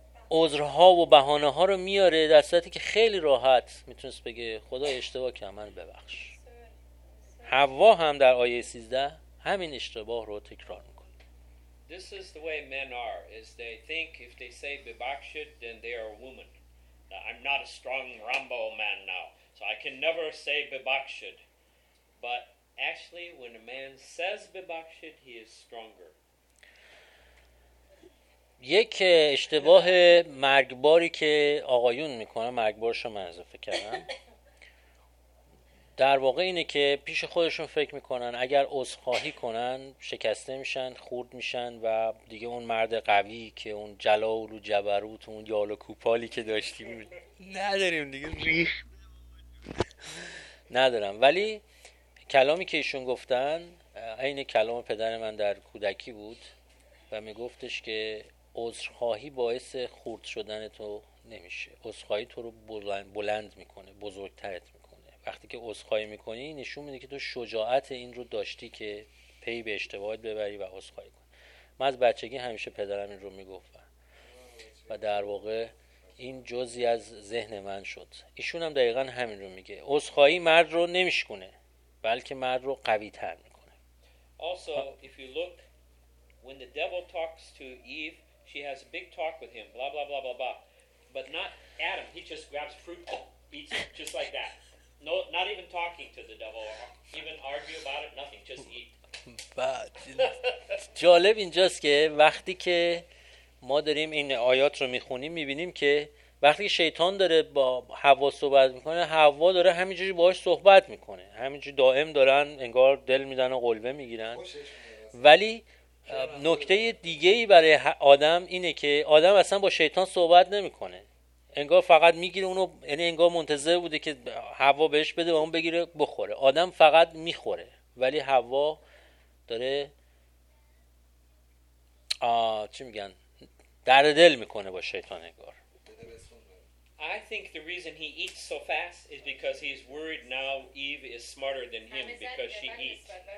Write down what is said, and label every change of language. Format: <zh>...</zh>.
<fa>عذرها و بهانه ها رو میاره، در صورتی که خیلی راحت میتونست بگه خدا اشتباه کردم من ببخش. حوا هم در آیه 13 همین اشتباه رو تکرار میکنه.</fa> <en>This is the way men are, is they think if they say</en> <fa>ببخشید</fa> <en>then they are a woman. Now, I'm not a strong Rambo man now, so I can never say</en> <fa>ببخشید.</fa> <en>But actually when a man says</en> <fa>ببخشید</fa> <en>he is stronger.</en> <fa>یک اشتباه مرگباری که آقایون میکنن، مرگبارشو من اضافه کردم، در واقع اینه که پیش خودشون فکر میکنن اگر عذرخواهی کنن شکسته میشن، خورد میشن و دیگه اون مرد قوی که اون جلال و جبروت و اون یال و کوپالی که داشتیم نداریم دیگه، ندارم. ولی کلامی که ایشون گفتن عین کلام پدر من در کودکی بود و میگفتش که عذرخواهی باعث خورد شدن تو نمیشه، عذرخواهی تو رو بلند میکنه، بزرگترت میکنه. وقتی که عذرخواهی میکنی نشون میده که تو شجاعت این رو داشتی که پی به اشتباهت ببری و عذرخواهی کنی. من از بچگی همیشه پدرم این رو میگفت و در واقع این جزی از ذهن من شد. ایشون هم دقیقا همین رو میگه، عذرخواهی مرد رو نمیشکنه بلکه مرد رو قوی تر میکنه.</fa> <en>Also, if you look, when the devil talks to Eve, she has a big talk with him, blah blah blah blah blah, but not Adam. He just grabs fruit, eats it just like that. No, not even talking to the devil, even argue about it. Nothing, just eat.</en> <fa>بعد جالب اینجاست که وقتی که ما داریم این آیات رو میخونیم میبینیم که وقتی شیطان داره با حوا صحبت میکنه، حوا داره همینجوری باهاش صحبت میکنه، همینجوری دائم دارن انگار دل میدن و قلبه میگیرن. ولی نکته دیگه‌ای برای آدم اینه که آدم اصلا با شیطان صحبت نمی‌کنه، انگار فقط می‌گیره اونو، یعنی انگار منتظر بوده که حوا بهش بده و اون بگیره بخوره. آدم فقط می‌خوره ولی حوا داره چی میگن درد دل می‌کنه با شیطان انگار.</fa> <en>I think the reason he eats so fast is because he's worried now Eve is smarter than him because she eats.</en>